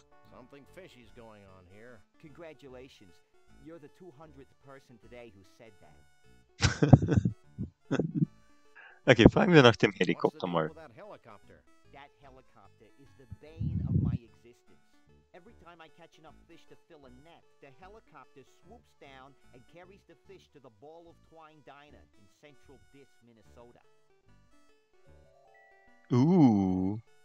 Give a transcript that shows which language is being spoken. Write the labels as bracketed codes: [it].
[en] Something fishy's going on here. Congratulations. You're the 200th person today who said that. [de] Okay, fragen wir nach dem Helikopter mal. [en] That helicopter is the bane of my existence. Every time I catch enough fish to fill a net, the helicopter swoops down and carries the fish to the Ball of Twine Diner in Central Dis, Minnesota. Ooh.